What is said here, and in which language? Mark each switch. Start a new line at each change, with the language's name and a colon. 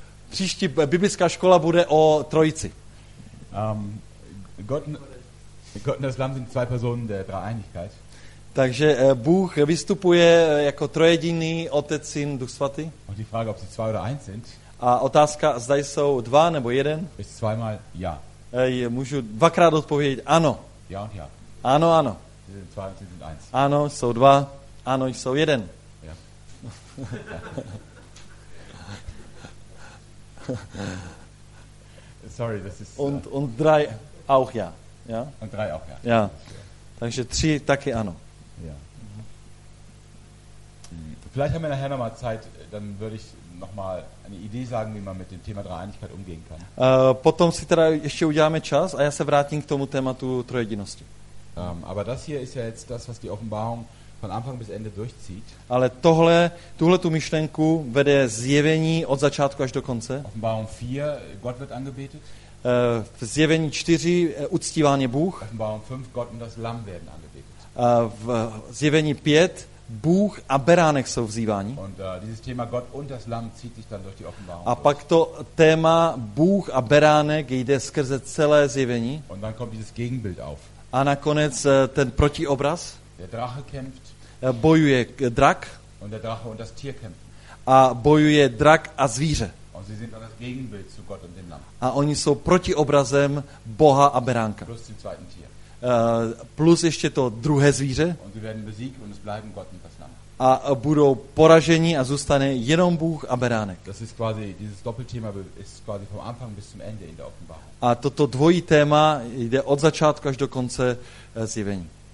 Czech: Příští biblická škola bude o Trojici.
German: Gott und das Lamm sind zwei Personen der Dreieinigkeit.
Czech: Takže Bůh vystupuje jako trojediný, Otec, Syn, Duch Svatý.
German: Und die Frage, ob sie zwei oder eins sind.
Czech: A otázka, zda jsou dva nebo jeden.
German: Ist zweimal ja.
Czech: Můžu dvakrát odpovědět ano.
German: Ja und ja.
Czech: Ano, ano.
German: Sie sind zwei und sie sind eins.
Czech: Ano, jsou dva. Ano, jsou jeden.
German: Ja. Sorry, das ist und drei auch ja. Ja. Und drei auch ja. Ja.
Czech: Takže tři taky ano.
German: Ja. Vielleicht haben wir nachher noch mal Zeit, dann würde ich noch mal eine Idee sagen, wie man mit dem Thema Dreieinigkeit umgehen kann.
Czech: Potom si teda ještě uděláme čas a já se vrátím k tomu tématu trojedinosti.
German: Aber das hier ist ja jetzt das, was die Offenbarung von Anfang bis Ende durchzieht.
Czech: Ale tohle, tuhle tu myšlenku vede Zjevení od začátku až do konce.
German: Offenbarung 4, Gott wird angebetet.
Czech: V Zjevení 4 uctíván je Bůh.
German: Offenbarung 5, Gott und das Lamm werden angebetet.
Czech: V Zjevení 5 Bůh a beránek jsou vzýváni.
German: Und dieses Thema Gott und das Lamm zieht sich dann durch die Offenbarung.
Czech: A pak to téma Bůh a beránek jde skrze celé Zjevení.
German: Und dann kommt dieses Gegenbild auf.
Czech: A nakonec ten protiobraz.
German: Der Drache kämpft.
Czech: Bojuje drak.
German: Und der Drache und das Tier kämpfen.
Czech: A bojuje drak a zvíře.
German: Und sie sind das Gegenbild zu Gott und dem Lamm.
Czech: A oni jsou protiobrazem Boha a beránka.
German: Plus zum zweiten Tier.
Czech: Plus ještě to druhé zvíře.
German: Und sie werden besiegt und es bleiben Gott und das Lamm.
Czech: A budou poraženi a zůstane jenom Bůh a beránek.
German: Das ist quasi dieses Doppelthema ist quasi vom Anfang bis zum Ende in der Offenbarung.
Czech: A toto dvojí téma jde od začátku až do konce Zjevení.